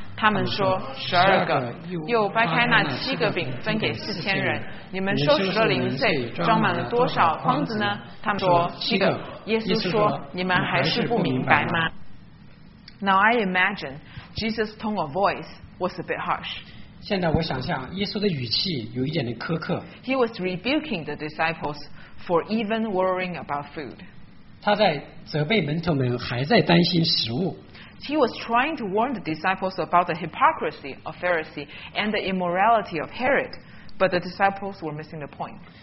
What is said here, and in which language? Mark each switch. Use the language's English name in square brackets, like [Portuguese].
[Chinese] 他们说十二个。又掰开那七个饼分给四千人，你们收拾的零碎装满了多少筐子呢？他们说七个。耶稣说，你们还是不明白吗？ [English] Now I imagine Jesus' tone of voice was a bit harsh. [Chinese] 现在我想象耶稣的语气有一点的苛刻。 [English] He was rebuking the disciples for even worrying about food. [Chinese] 他在责备门徒们还在担心食物。 [English] He was trying to warn the disciples about the hypocrisy of Pharisee and the immorality of Herod, but the disciples were missing the point.